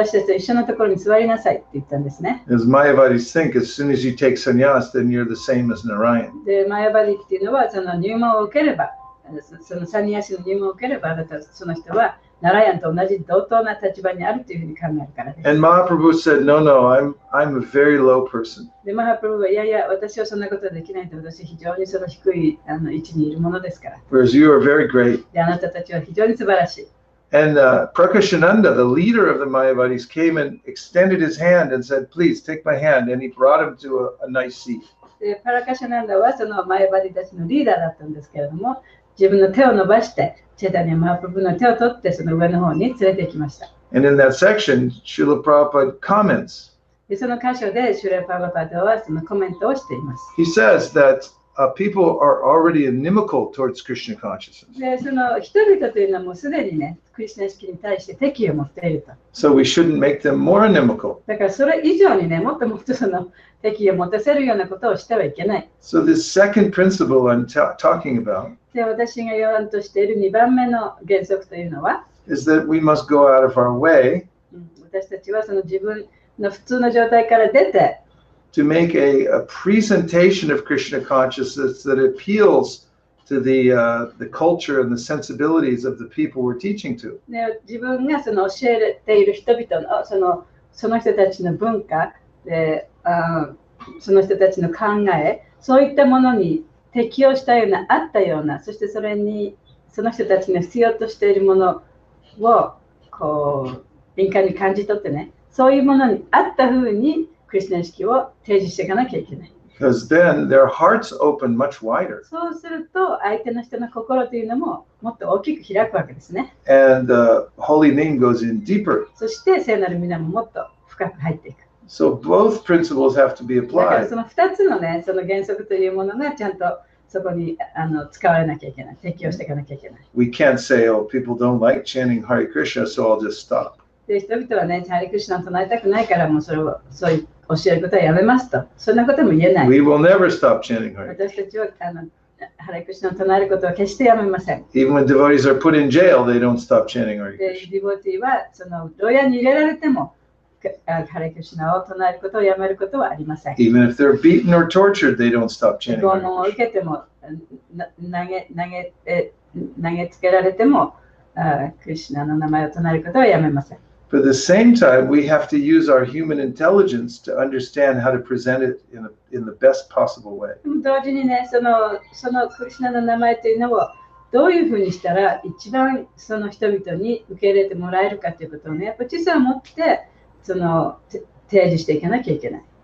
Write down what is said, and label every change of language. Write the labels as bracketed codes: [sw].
[en] As Mayavadis think, as soon as you take sannyas, then you're the same as Narayan. [ja] で、マヤバディっていうのはその入門を受ければそのサニヤシの任務を受ければあなたその人はナラヤンと同じ同等な立場にあるというふうに考えるからです。 [en] And Mahaprabhu said, "No, no, I'm a very low person." [ja] で、マハプロはいやいや、私はそんなことはできないと私は非常にその低いあの位置にいるものですから。 [en] Whereas you are very great. [ja] で、あなたたちは非常に素晴らしい。 [en] And Prakashananda, the leader of the Mayavadis, came and extended his hand and said, "Please take my hand." And he brought him to a nice seat. [ja] で、パラカシャナンダはそのマヤバディたちのリーダーだったんですけれども。自分の手を伸ばして、チェタニア・マハプラブの手を取って、その上の方に連れて行きました。 [en] And in that section, Srila Prabhupada comments. [ja] で、その箇所で、シュラ・プラブパッドはそのコメントをしています。 [en] He says that people are already inimical towards Krishna consciousness. [ja] で、その人々というのはもうすでにね、クリスナ意識に対して敵を持っていると。 [en] So we shouldn't make them more inimical. [ja] だからそれ以上にね、もっともっとその敵を持たせるようなことをしてはいけない。 [en] So this second principle I'm talking about, [ja] で私が言わんとしている2番目の原則というのは [en] is that we must go out of our way [ja] 私たちはその自分の普通の状態から出て [en] to make a presentation of Krishna consciousness that appeals to the culture and the sensibilities of the people we're teaching to [ja] で自分がその教えている人々のその人たちの文化でその人たちの考えそういったものに適応したような、あったような、そしてそれにその人たちが必要としているものをこう敏感に感じ取ってね、そういうものにあったふうにクリスチャン意識を提示していかなきゃいけない。 [en] Because then their hearts open much wider. [ja] そうすると相手の人の心というのももっと大きく開くわけですね。 [en] And the holy name goes in deeper. [ja] そして聖なる名ももっと深く入っていく。 [en] So both principles have to be applied. [ja] だからその2つのね、その原則というものがちゃんとそこにあの使われなきゃいけない、適用していかなきゃいけない。 [en] We can't say, oh, people don't like chanting Hare Krishna, so I'll just stop. [ja] で、人々はね、Hare Krishna を唱えたくないからもうそれをそういう教えることはやめますと、そんなことも言えない。 [en] We will never stop chanting Hare [ja] Krishna. 私たちはあのハレクリシナを唱えることは決してやめません。 [en] Even when devotees are put in jail, they don't stop chanting Hare Krishna. [ja] で、devotee はその牢屋に入れられても。ハレクシナを唱えることをやめることはありません。 [en] Even if they're beaten or tortured, they don't stop chanting. [ja] 拷問を受けても、投げつけられても、クリシナの名前を唱えることはやめません。 [en] But at the same time, we have to use our human intelligence to understand how to present it in the best possible way. [ja] 同時にね、そのクリシナの名前というのをどういうふうにしたら一番その人々に受け入れてもらえるかということをね、やっぱ実は持って。その提示していかなきゃいけない。